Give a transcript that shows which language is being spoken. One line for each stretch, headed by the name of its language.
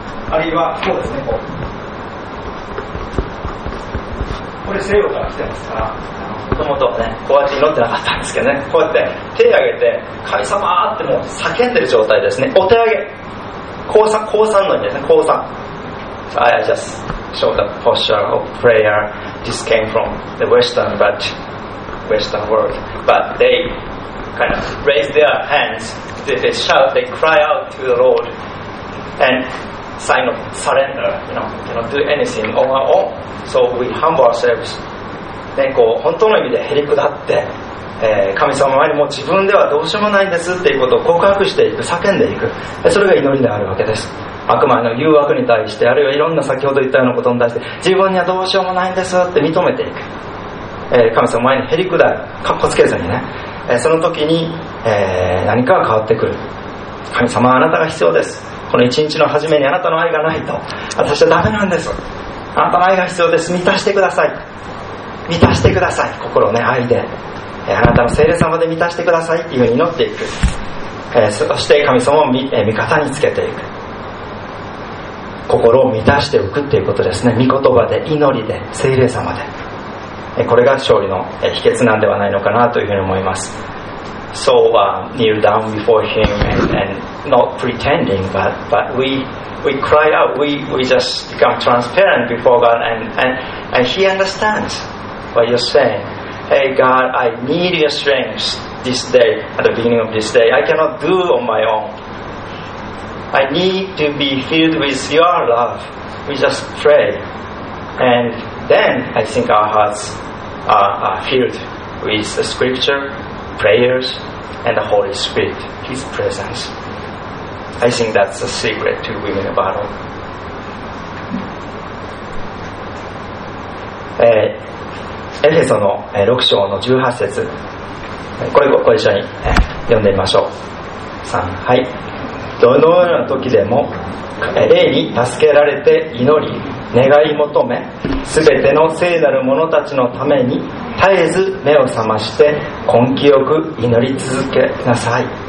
Japanese: あるいはこうですね、こう、これ西洋から来てますから、もともとね、こうやって祈ってなかったんですけどね、こうやって手を挙げて神様ってもう叫んでる状態ですね。お手上げ、降参の意味ですね。
English: I just showed the posture of prayer. This came from the Western, but Western world, but they kind of raise their hands, they shout, they cry out to the Lord, and sign of surrender, you know, cannot do anything on our own, so we humble ourselves.
Japanese: ね、こう本当の意味でへりくだって、神様の前にもう自分ではどうしようもないんですっていうことを告白していく、叫んでいく、それが祈りであるわけです。悪魔の誘惑に対して、あるいはいろんな先ほど言ったようなことに対して、自分にはどうしようもないんですって認めていく、神様の前にへりくだる、かっこつけずにね、その時に、何かが変わってくる。神様、あなたが必要です。この一日の初めにあなたの愛がないと私はダメなんです。あなたの愛が必要です。満たしてください、満たしてください、心をね、愛で、あなたの聖霊様で満たしてくださいっていうふうに祈っていく、そして神様を味方につけていく、心を満たしておくっていうことですね。御言葉で、祈りで、聖霊様で、これが勝利の秘訣なんではないのかなというふうに思います。
English: So kneel down before him and not pretending, but we cry out, we just become transparent before God, and he understandsWhat you're saying. Hey God, I need your strength this day, at the beginning of this day. I cannot do on my own. I need to be filled with your love. We just pray. And then I think our hearts are filled with the scripture, prayers, and the Holy Spirit, His presence. I think that's the secret to winning a battle.
Japanese: エフェソの6章の18節、これご一緒に読んでみましょう。3、はい。どのような時でも霊に助けられて祈り願い求め、すべての聖なる者たちのために絶えず目を覚まして根気よく祈り続けなさい。